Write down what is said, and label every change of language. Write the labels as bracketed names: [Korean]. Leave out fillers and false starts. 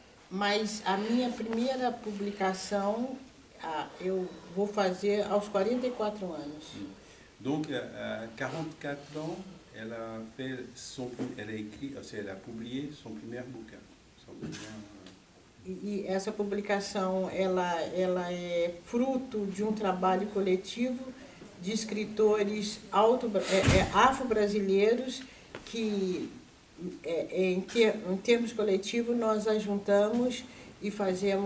[Portuguese] Mas a minha primeira publicação, eu vou fazer aos 44 anos. [French] Donc, à 44 ans, elle a fait elle a écrit, elle a publié son premier bouquin, son premier. [Portuguese] E essa publicação, ela é fruto de um trabalho coletivo de escritores afro-brasileiros que em termos coletivos, nós ajuntamos e fazemos